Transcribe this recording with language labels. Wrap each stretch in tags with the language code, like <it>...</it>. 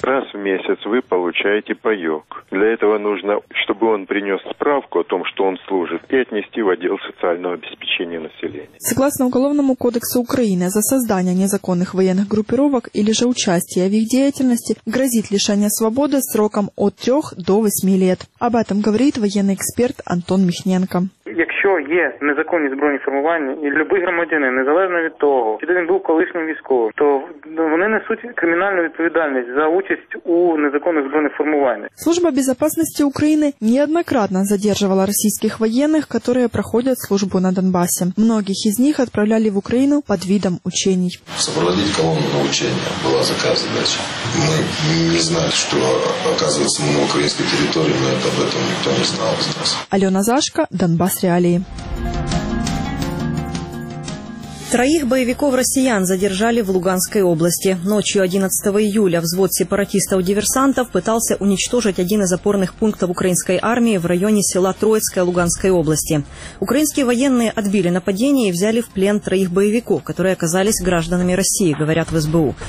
<ru>Раз в месяц вы получаете паек. Для этого нужно, чтобы он принес справку о том, что он служит, и отнести в отдел социального обеспечения населения. Согласно Уголовному кодексу Украины, за создание незаконных военных группировок или же участие в их деятельности грозит лишение свободы сроком от 3 до 8 лет. Об этом говорит военный эксперт Антон Михненко.</ru> <uk>Якщо є незаконні збройні формування, і любий громадянин, незалежно від того, чи він був колишнім військовим, то вони несуть кримінальну відповідальність за участь у незаконних збройних формуваннях. Служба безпеки України</uk> <ru>неоднократно</ru> <uk>задержувала російських воєнних, які проходять службу на Донбасі. Многих із них відправляли в Україну під видом учень. Супроводити колону на учення була заказана задача. Ми не знали, що оказується на українській території, ми об цьому ніхто не знав з нас. Альона Зашка, Донбас.</uk> <ru>Троих боевиков-россиян задержали в Луганской области. Ночью 11 июля взвод сепаратистов-диверсантов пытался уничтожить один из опорных пунктов украинской армии в районе села Троицкое Луганской области. Украинские военные отбили нападение и взяли в плен троих боевиков, которые оказались гражданами России, говорят в СБУ.</ru>